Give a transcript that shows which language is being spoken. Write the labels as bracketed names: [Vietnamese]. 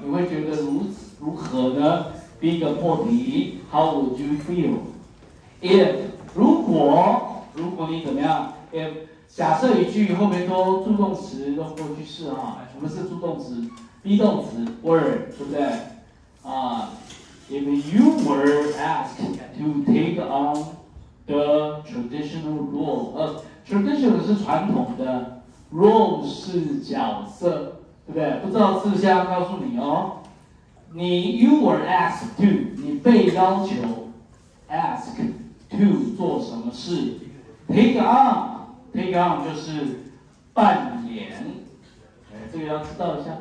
[Chinese] 你会觉得如何呢？第一个破题 ， [English] How would you feel？ If [Chinese] 如果你怎么样？假设一句后面都助动词用过去式哈，我们是助动词 ，be 动词 were， 对不对？啊 ， [English] if you were asked to take on the traditional role， [Chinese] traditional 是传统的 ，role 是角色，对不对？不知道是不是要告诉你哦？你 [English] you were asked to， [Chinese] 你被要求 ask。 to 做什么事 ？ [English] Take on， [Chinese] 就是扮演。这个要知道一下。